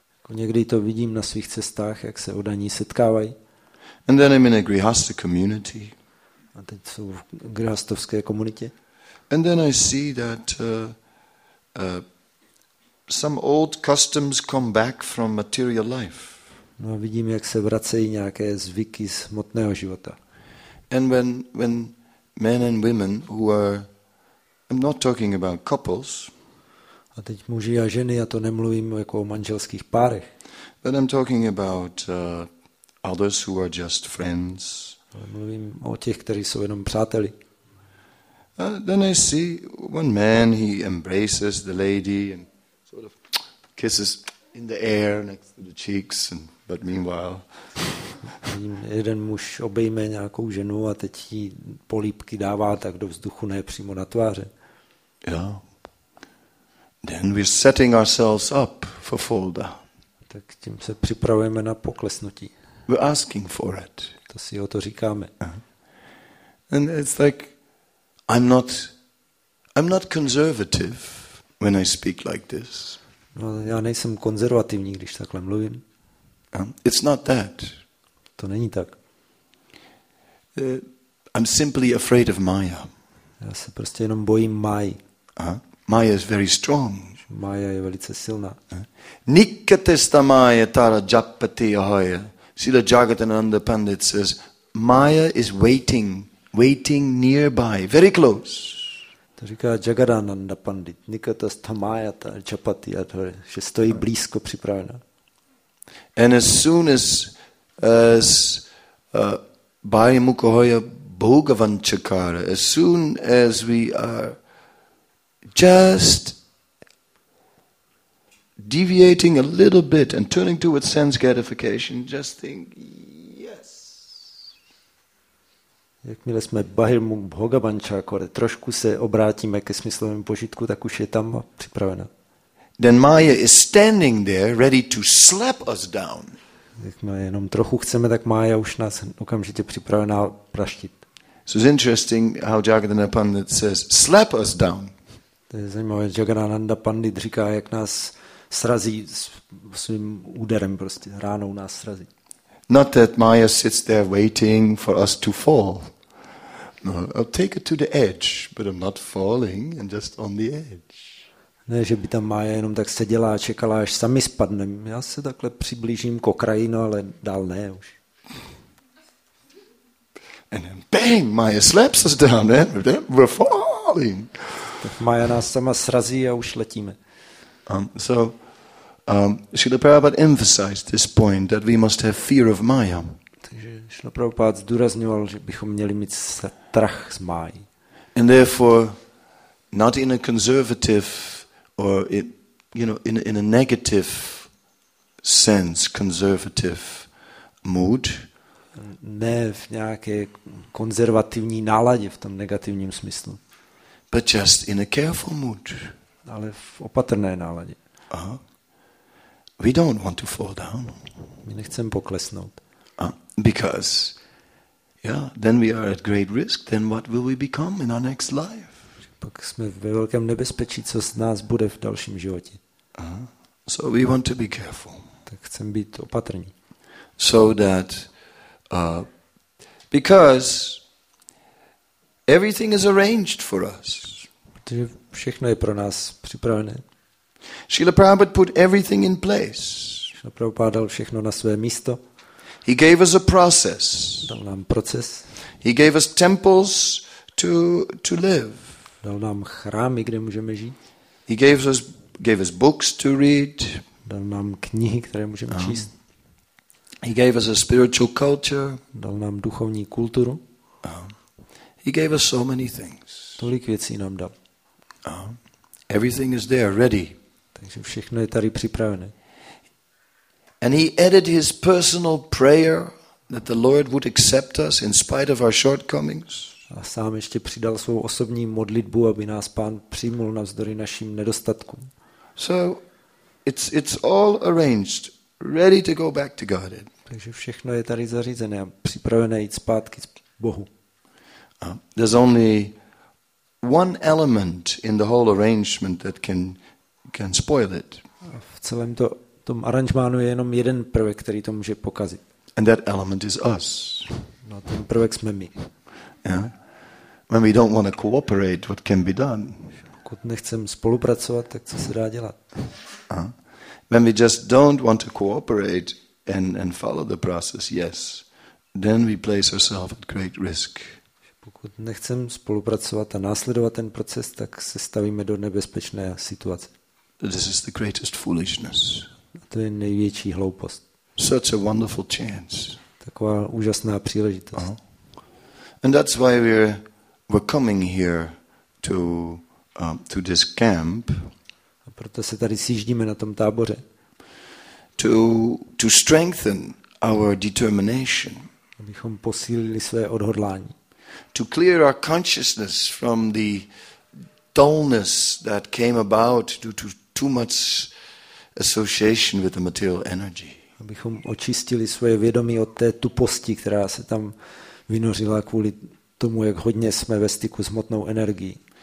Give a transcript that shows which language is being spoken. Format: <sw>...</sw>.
<cs>Někdy to vidím na svých cestách, jak se oddaní setkávají.</cs> <en>And then I'm in a grihastha community.</en> <cs>A teď jsou v grihastovské komunitě.</cs> <en>And then I see that some old customs come back from material life.</en> <cs>No a vidím, jak se vracejí nějaké zvyky z hmotného života.</cs> <en>And when men and women who are, I'm not talking about couples.</en> <cs>A teď muži a ženy, já to nemluvím jako o manželských párech.</cs> <en>But I'm talking about others who are just friends.</en> <cs>Ale mluvím o těch, kteří jsou jenom přáteli.</cs> <en>Then I see one man, he embraces the lady and sort of kisses in the air next to the cheeks, and but meanwhile.</en> <cs>Jeden muž obejme nějakou ženu a teď jí polípky dává tak do vzduchu, ne přímo na tváře.</cs> <en>Yeah. Then we're setting ourselves up for fall down.</en> <cs>Tak tím se připravujeme na poklesnutí.</cs> <en>We're asking for it.</en> <cs>To si o to říkáme.</cs> <en>And it's like I'm not conservative when I speak like this.</en> <cs>No, já nejsem konzervativní, když takhle mluvím.</cs> <en>It's not that.</en> <cs>To není tak.</cs> <en>I'm simply afraid of Maya.</en> <cs>Já se prostě jenom bojím Maji.</cs> <en>Maya is very strong.</en> <cs>Maya je velice silná. Nikatesta Maya tara japati ahaya.</cs> <en>Srila Jagatananda Pandit says Maya is waiting nearby, very close.</en> <cs>To říká Jagatananda Pandit. Nikatesta Maya tara japati ahaya, že stojí blízko připravena.</cs> <en>And as soon as as Bhaya Mukhoya Bhogavan Chakara, as soon as we are just deviating a little bit and turning to its sense gratification, just think, yes.</en> <cs>Jakmile jsme Bahimu Bhogavančákore, trošku se obrátíme ke smyslovému požitku, tak už je tam připravena.</cs> <en>Then Maya is standing there, ready to slap us down.</en> <cs>Jakmile jenom trochu chceme, tak Maya už nás okamžitě připravená praštit.</cs> <en>So it's interesting how Jagannath Pandit says, slap us down.</en> <cs>To je zajímavé, Jagannanda Pandit říká, jak nás srazí svým úderem, prostě ránou nás srazí.</cs> <en>Not that Maya sits there waiting for us to fall. No, I'll take it to the edge, but I'm not falling and just on the edge.</en> <cs>Ne, že by tam Maya jenom tak seděla a čekala, až sami spadneme. Já se takhle přiblížím k okraji, no ale dál ne už.</cs> <en>And then bang, Maya slaps us down, and we're falling.</en> <cs>Tak Maya nás sama srazí a už letíme.</cs> <en>Srila Prabhupada emphasized this point that we must have fear of Maya.</en> <cs>Takže Srila Prabhupada zdůrazňoval, že bychom měli mít strach z Máji.</cs> <en>And therefore, not in a conservative or in a negative sense, conservative mood.</en> <cs>Ne v nějaké konzervativní náladě v tom negativním smyslu.</cs> <en>But just in a careful mood.</en> <cs>Ale v opatrné náladě. Aha.</cs> <en>We don't want to fall down.</en> <cs>My nechceme poklesnout.</cs> <en>Because, yeah, then we are at great risk. Then what will we become in our next life?</en> <cs>Pak jsme ve velkém nebezpečí, co z nás bude v dalším životě.</cs> <en>So we want to be careful.</en> <cs>Tak chceme být opatrní.</cs> <en>So that, because everything is arranged for us.</en> <cs>Protože všechno je pro nás připravené.</cs> <en>Srila Prabhupada put everything in place.</en> <cs>Srila Prabhupada dal všechno na své místo.</cs> <en>He gave us a process.</en> <cs>Dal nám proces.</cs> <en>He gave us temples to live.</en> <cs>Dal nám chrámy, kde můžeme žít.</cs> <en>He gave us books to read.</en> <cs>Dal nám knihy, které můžeme číst.</cs> <en>He gave us a spiritual culture.</en> <cs>Dal nám duchovní kulturu.</cs> <en>He gave us so many things.</en> <cs>Tolik věcí nám dal.</cs> <en>Everything is there, ready.</en> <cs>Takže všechno je tady připravené.</cs> <en>And he added his personal prayer that the Lord would accept us in spite of our shortcomings.</en> <cs>A sám ještě přidal svou osobní modlitbu, aby nás Pán přijmul navzdory našim nedostatkům.</cs> <en>So it's all arranged, ready to go back to Godhead.</en> <cs>Takže všechno je tady zařízené a připravené jít zpátky k Bohu.</cs> <en>There's only one element in the whole arrangement that can spoil it.</en> <cs>V celém tom aranžmánu je jenom jeden prvek, který to může pokazit.</cs> <en>And that element is us.</en> <cs>No, ten prvek jsme my.</cs> <en>Yeah. When we don't want to cooperate, what can be done?</en> <cs>Pokud nechcem spolupracovat, tak co se dá dělat?</cs> <en>When we just don't want to cooperate and follow the process, yes, then we place ourselves at great risk.</en> <cs>Pokud nechcem spolupracovat a následovat ten proces, tak se stavíme do nebezpečné situace.</cs> <en>This is the greatest foolishness.</en> <cs>To je největší hloupost.</cs> <en>Such a wonderful chance.</en> <cs>Taková úžasná příležitost.</cs> <en>And that's why we're coming here to this camp.</en> <cs>A proto se tady sjíždíme na tom táboře.</cs> <en>To strengthen our determination.</en> <cs>Abychom posílili své odhodlání.</cs> <en>To clear our consciousness from the dullness that came about due to too much association with the material energy.</en> <cs>Abychom očistili svoje vědomí od té tuposti, která se tam vynořila kvůli tomu, jak hodně jsme ve styku s hmotnou energií.</cs>